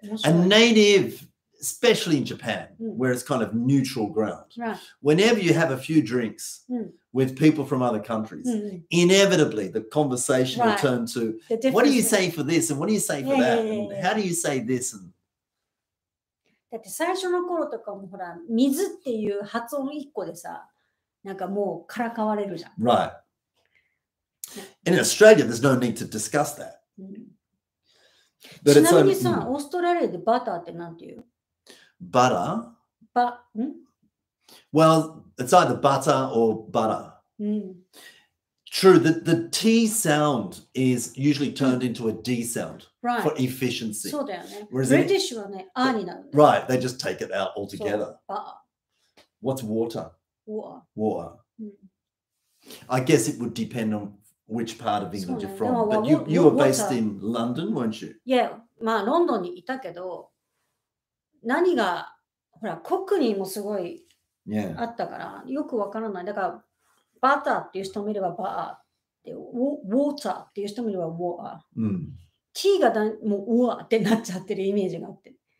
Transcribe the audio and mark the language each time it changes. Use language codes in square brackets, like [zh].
[en] Yeah. A native... Especially in Japan, where it's kind of neutral ground. Right. Whenever you have a few drinks with people from other countries, inevitably the conversation will turn to, what do you say for this and what do you say for that? And how do you say this? And... [ja] だって最初の頃とかもほら、水っていう発音一個でさ、なんかもうからかわれるじゃん。 [en] Right. In Australia, there's no need to discuss that. [ja] But ちなみにさ、オーストラリアでバターってなんていう？ [en] Butter. Well, it's either butter or butter. True, the T sound is usually turned into a D sound for efficiency. [ja] そうだよね。 [en] Whereas British [ja] はね、R になるね。 [en] Right, they just take it out altogether. So, butter. What's water? Water. Water. I guess it would depend on which part of England you're from. But you were based in London, weren't you? Yeah, [ja] まあ、ロンドンにいたけど、何がほらコックニーもすごいあったから、 [en] yeah. [ja] よくわからない。だからバターっていう人もいればバーってウォーターっていう人もいればウォーター。ティーがもうウォーってなっちゃってるイメージがあって。